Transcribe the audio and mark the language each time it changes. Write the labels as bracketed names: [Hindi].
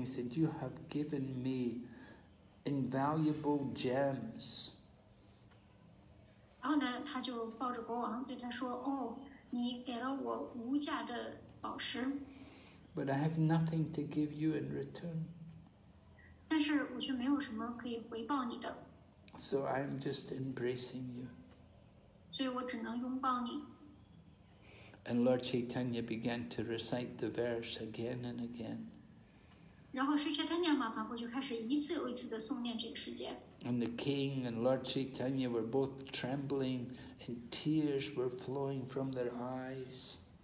[English] He said, "You have given me invaluable gems." [Chinese] 然后呢，他就抱着国王，对他说，哦，你给了我无价的宝石。 [English] But I have nothing to give you in return. [Chinese] 但是我却没有什么可以回报你的。 [English] So I'm just embracing you. [Chinese] 所以我只能拥抱你。 [English] And Lord Chaitanya began to recite the verse again and again. [Chinese] 然后释迦牟尼佛马哈布就开始一次又一次的诵念这个诗节。 [English] And the king and Lord Chaitanya were both trembling, and tears were flowing from their eyes.